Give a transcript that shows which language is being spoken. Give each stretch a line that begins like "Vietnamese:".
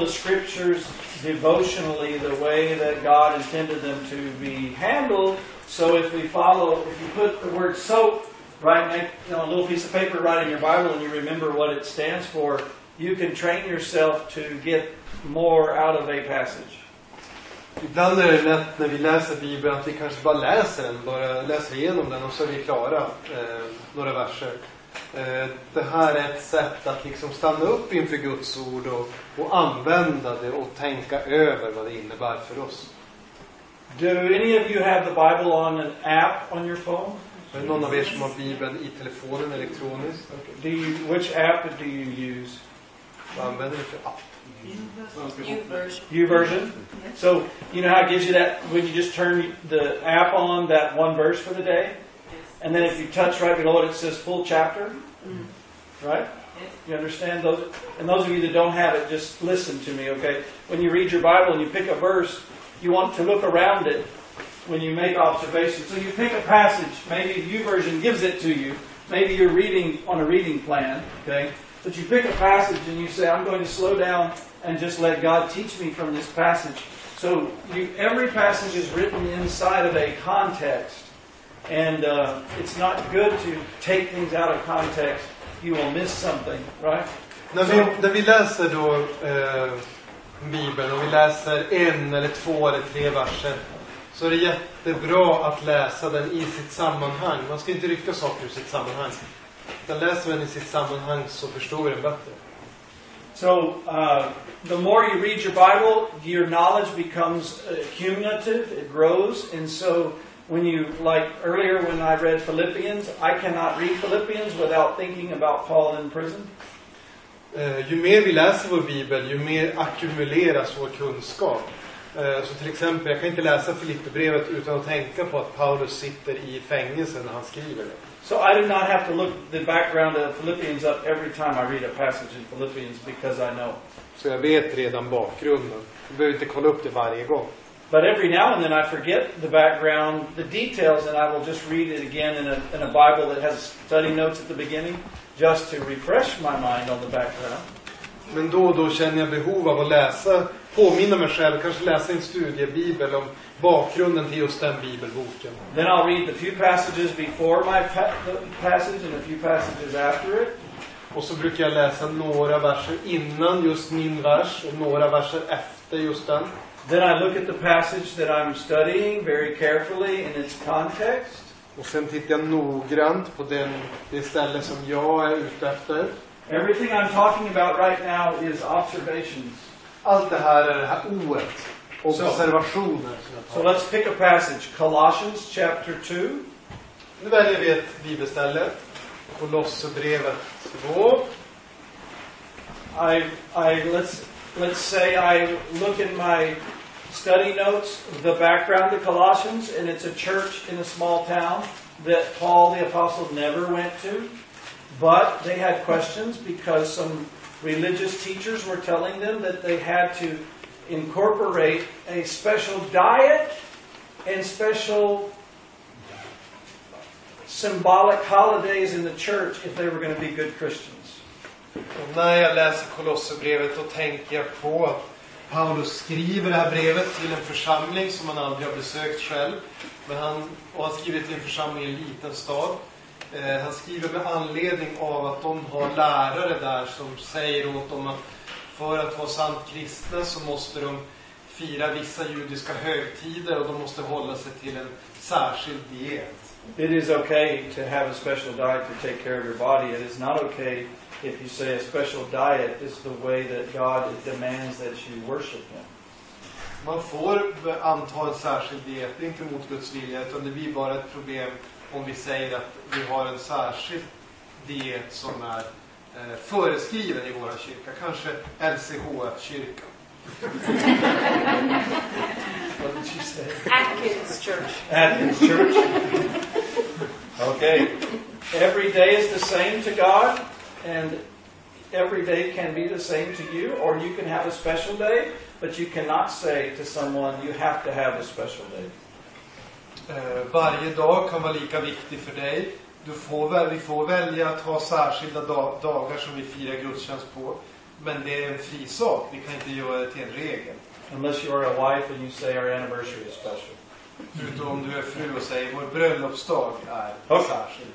English: Devotionally the way that God intended them to be handled. So if you put the word soap right on a little piece of paper right in your Bible and you remember what it stands for, you can train yourself to get more out of a passage.
Swedish: Ibland är det lätt när vi läser Bibeln att vi kanske bara läser den, bara läser igenom den och så är vi klara några verser. Det här är ett sätt att liksom stanna upp inför Guds ord och använda det och tänka över vad det innebär för oss.
English: Do any of you have the Bible on an app on your phone?
Swedish: Är någon av er som har Bibeln i telefonen elektroniskt?
English: Okay. Which app do you use?
Swedish: Vad använder du för app?
English: YouVersion. So, you know how it gives you that when you just turn the app on, that one verse for the day? And then if you touch right below it, it says full chapter. Mm. Right? Yes. You understand those? And those of you that don't have it, just listen to me, okay? When you read your Bible and you pick a verse, you want to look around it when you make observations. So you pick a passage. Maybe YouVersion gives it to you. Maybe you're reading on a reading plan, okay? But you pick a passage and you say, I'm going to slow down and just let God teach me from this passage. So every passage is written inside of a context. And it's not good to take things out of context. You will miss something, right?
Swedish: När vi läser då Bibeln och vi läser en eller två eller tre verser, så är det jättebra att läsa den i sitt sammanhang. Man ska inte rycka saker ur sitt sammanhang. Utan läser man i sitt sammanhang så förstår man den bättre.
English: So the more you read your Bible, your knowledge becomes cumulative. It grows, and so. When you, like earlier when I read Philippians, I cannot read Philippians without thinking about Paul in prison.
Swedish: Ju mer vi läser vår Bibel, ju mer ackumuleras vår kunskap. Så till exempel, jag kan inte läsa Filipperbrevet utan att tänka på att Paulus sitter i fängelse när han skriver det.
English: So I do not have to look the background of Philippians up every time I read a passage in Philippians because I know.
Swedish: Så jag vet redan bakgrunden. Jag behöver inte kolla upp det varje gång.
English: But every now and then I forget the background, the details, and I will just read it again in a Bible that has study notes at the beginning, just to refresh my mind on the background.
Swedish: Men då känner jag behov av att läsa, påminna mig själv, kanske läsa en studiebibel om bakgrunden till just den bibelboken.
English: Then I'll read the few passages before my passage and a few passages after it.
Swedish: Och så brukar jag läsa några verser innan just min vers och några verser efter just den.
English: Then I look at the passage that I'm studying very carefully in its context.
Swedish: Och sen tittar jag noggrant på det ställe som jag är ute efter.
English: Everything I'm talking about right now is observations.
Swedish: Allt det här oet, observationer.
English: So let's pick a passage, Colossians chapter 2.
Swedish: Nu väljer vi ett bibelställe, Kolosserbrevet 2.
English: Let's say I look in my study notes, the background of Colossians, and it's a church in a small town that Paul the Apostle never went to. But they had questions because some religious teachers were telling them that they had to incorporate a special diet and special symbolic holidays in the church if they were going to be good Christians.
Swedish: Och när jag läser Kolosserbrevet så tänker jag på att Paulus skriver det här brevet till en församling som han aldrig har besökt själv. Men han skriver till en församling i en liten stad. Han skriver med anledning av att de har lärare där som säger åt dem att för att vara sant kristna så måste de fira vissa judiska högtider och de måste hålla sig till en särskild diet.
English: It is okay to have a special diet to take care of your body. It is not okay if you say a special diet is the way that God demands that you worship him.
Swedish: Man får anta en särskild diet, det är inte mot Guds vilja, utan det blir bara ett problem om vi säger att vi har en särskild diet som är föreskriven i våra kyrka, kanske LCHF-kyrkan.
English: What did you say? Atkins Church. Atkins Church. Okay. Every day is the same to God, and every day can be the same to you, or you can have a special day, but you cannot say to someone, you have to have a special day.
Swedish: Varje dag kan vara lika viktig för dig. Vi får välja att ha särskilda dagar som vi firar gudstjänst på, men det är en fri sak. Vi kan inte göra det till en regel.
English: Unless you are a wife and you say our anniversary is special.
Swedish: Utom om du är fru och säger vår bröllopsdag är särskild.